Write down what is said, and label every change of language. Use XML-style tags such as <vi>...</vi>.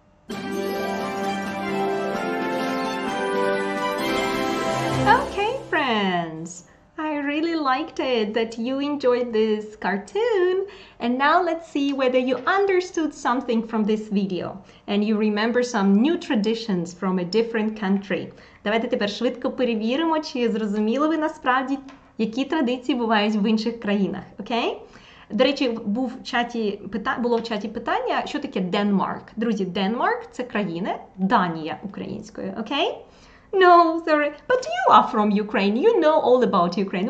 <en>Okay, friends. I really liked it that you enjoyed this cartoon. And now let's see whether you understood something from this video and you remember some new traditions from a different country.</en> <uk>Давайте тепер швидко перевіримо, чи зрозуміли ви насправді, які традиції бувають в інших країнах, окей? Okay? До речі, було в чаті питання, що таке Денмарк. Друзі, Денмарк – це країна Данія українською, окей?</uk> <en>Okay? No, sorry, but you are from Ukraine, you know all about Ukraine.</en>